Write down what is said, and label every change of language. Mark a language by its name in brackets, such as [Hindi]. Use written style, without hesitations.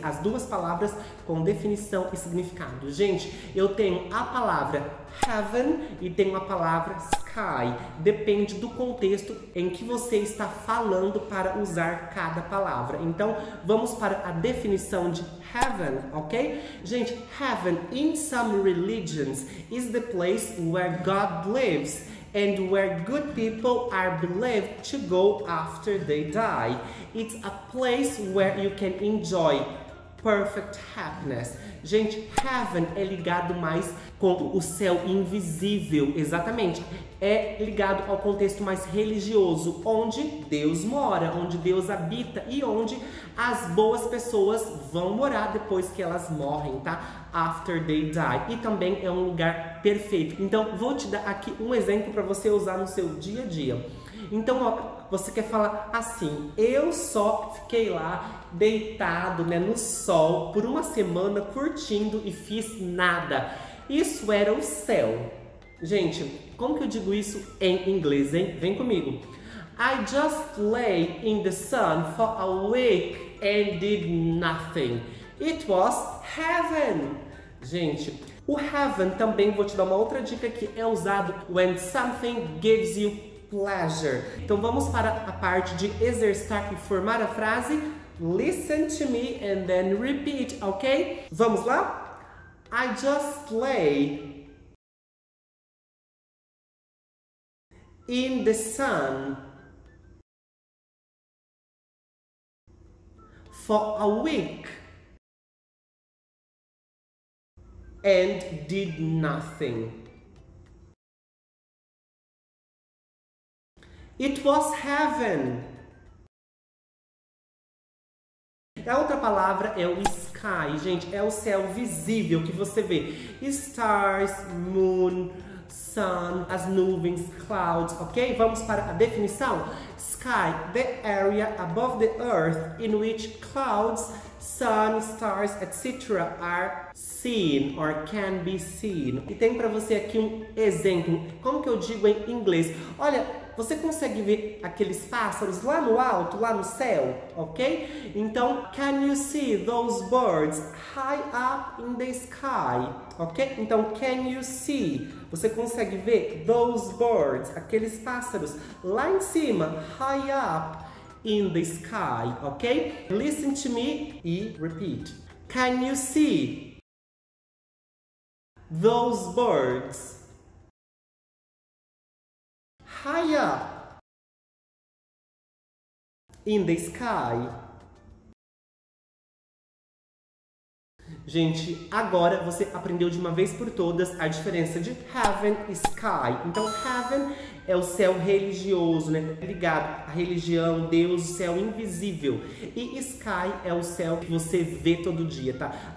[Portuguese] As duas palavras com definição e significado. Gente, eu tenho a palavra heaven e tenho a palavra sky. Depende do contexto em que você está falando para usar cada palavra. Então, vamos para a definição de heaven, ok? [English] Gente, heaven in some religions is the place where God lives and where good people are believed to go after they die. It's a place where you can enjoy perfect happiness. [Portuguese] Gente, heaven é ligado mais com o céu invisível, exatamente. É ligado ao contexto mais religioso, onde Deus mora, onde Deus habita e onde as boas pessoas vão morar depois que elas morrem, tá? [English] After they die. [Portuguese] E também é um lugar perfeito. Então, vou te dar aqui um exemplo para você usar no seu dia a dia. Então, ó, você quer falar assim: eu só fiquei lá deitado, né, no sol por uma semana curtindo e fiz nada. Isso era o céu. Gente, como que eu digo isso em inglês, hein? Vem comigo. [English] I just lay in the sun for a week and did nothing. It was heaven. [Portuguese] Gente, o heaven também, vou te dar uma outra dica aqui, é usado [English] when something gives you pleasure. [Portuguese] Então vamos para a parte de exercitar e formar a frase. [English] Listen to me and then repeat, ok? [Portuguese] Vamos lá? [English] I just lay in the sun for a week and did nothing. It was heaven. [Portuguese] A outra palavra é o sky, gente, é o céu visível que você vê. [English] Stars, moon, sun, [Portuguese] as nuvens, [English] clouds, ok? [Portuguese] Vamos para a definição. [English] Sky, the area above the earth in which clouds, sun, stars, etc. are seen or can be seen. [Portuguese] E tem para você aqui um exemplo. Como que eu digo em inglês? Olha, você consegue ver aqueles pássaros lá no alto, lá no céu, ok? [English] Então, can you see those birds high up in the sky, ok? Então, can you see, [Portuguese] você consegue ver [English] those birds, [Portuguese] aqueles pássaros lá em cima, [English] high up in the sky, ok? Listen to me e repeat. Can you see those birds high up in the sky? [Portuguese] Gente, agora você aprendeu de uma vez por todas a diferença de heaven e sky. Então, heaven é o céu religioso, né? Ligado à religião, Deus, o céu invisível. E sky é o céu que você vê todo dia, tá?